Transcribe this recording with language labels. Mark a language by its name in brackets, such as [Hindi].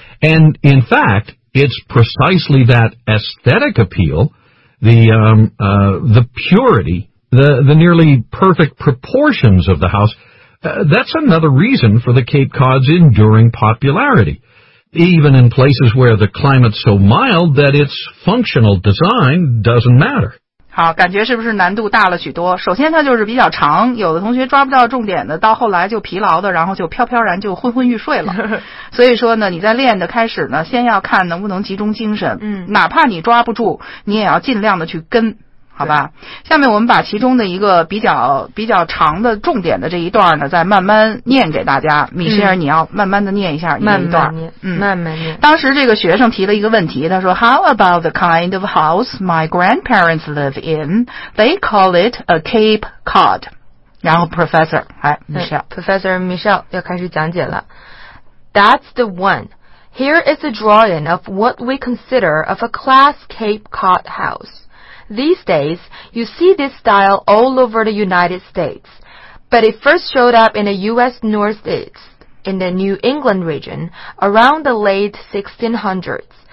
[English] And, in fact, it's precisely that aesthetic appeal, the purity, the nearly perfect proportions of the house, that's another reason for the Cape Cod's enduring popularity, even in places where the climate's so mild that its functional design doesn't matter. [Chinese] 好，感觉是不是难度大了许多？首先它就是比较长，有的同学抓不到重点的，到后来就疲劳的，然后就飘飘然就昏昏欲睡了。所以说呢，你在练的开始呢，先要看能不能集中精神，哪怕你抓不住，你也要尽量的去跟，好吧？下面我们把其中的一个比较长的重点的这一段呢，再慢慢念给大家。米歇尔，你要慢慢的念一下你那一段。慢慢念。当时这个学生提了一个问题，他说 [English] How about the kind of house my grandparents live in? They call it a Cape Cod. 然后 Professor, 哎 Michelle. [Chinese] Professor Michelle 要开始讲解了。 [English] That's the one. Here is a drawing of what we consider of a class Cape Cod house. These days, you see this style all over the United States, but it first showed up in the U.S. Northeast, in the New England region, around the late 1600s.